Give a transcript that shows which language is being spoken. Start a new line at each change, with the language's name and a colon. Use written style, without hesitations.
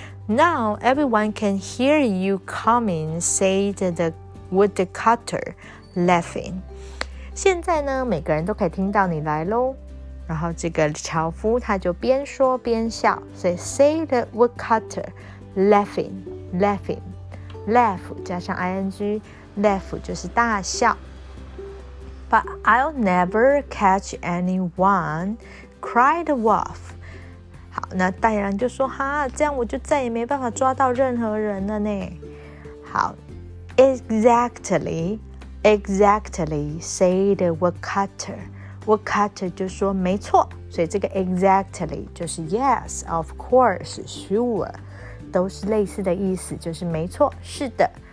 English: Now everyone can hear you coming, said the woodcutter, laughing.
Chinese: 现在呢，每个人都可以听到你来咯。然后这个樵夫他就边说边笑，所以
English: say the woodcutter, laughing, laughing,
Chinese: laugh 加上 ing, laugh 就是大笑。
English: But I'll never catch anyone, cried the wolf.
Chinese: 好，那大野狼就说哈，这样我就再也没办法抓到任何人了呢。好
English: ，exactly, exactly, say the woodcutter.
Chinese: Woodcutter 就说没错，所以这个 exactly 就是
English: yes, of course, sure,
Chinese: 都是类似的意思，就是没错，是的。